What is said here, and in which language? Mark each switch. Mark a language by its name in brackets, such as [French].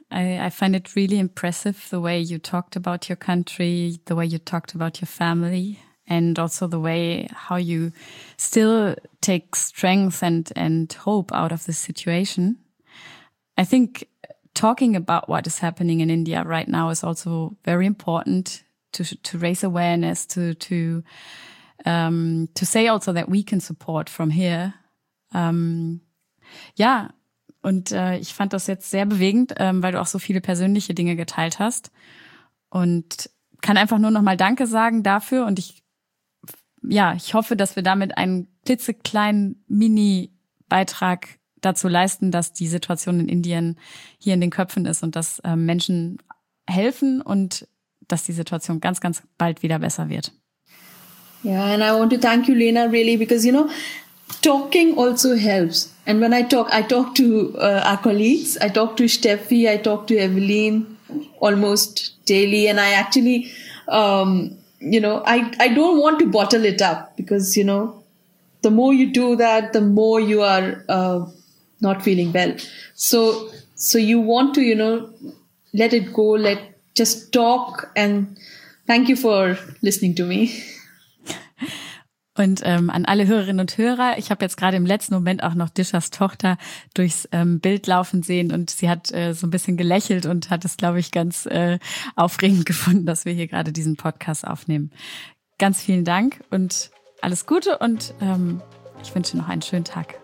[English] I find it really impressive the way you talked about your country, the way you talked about your family, and also the way how you still take strength and hope out of this situation. I think talking about what is happening in India right now is also very important to raise awareness, to say also that we can support from here. [German] Ich fand das jetzt sehr bewegend, weil du auch so viele persönliche Dinge geteilt hast, und kann einfach nur nochmal Danke sagen dafür. Und ich hoffe, dass wir damit einen klitzekleinen Mini-Beitrag dazu leisten, dass die Situation in Indien hier in den Köpfen ist und dass Menschen helfen und dass die Situation ganz, ganz bald wieder besser wird. [English] Yeah, and I want to thank you, Lena, really, because talking also helps. And when I talk to our colleagues, I talk to Steffi, I talk to Evelyn almost daily. And I actually, I don't want to bottle it up, because, the more you do that, the more you are not feeling well. So you want to, let it go, just talk. And thank you for listening to me. [German] Und an alle Hörerinnen und Hörer, ich habe jetzt gerade im letzten Moment auch noch Dishas Tochter durchs Bild laufen sehen, und sie hat so ein bisschen gelächelt und hat es, glaube ich, ganz aufregend gefunden, dass wir hier gerade diesen Podcast aufnehmen. Ganz vielen Dank und alles Gute, und ich wünsche noch einen schönen Tag.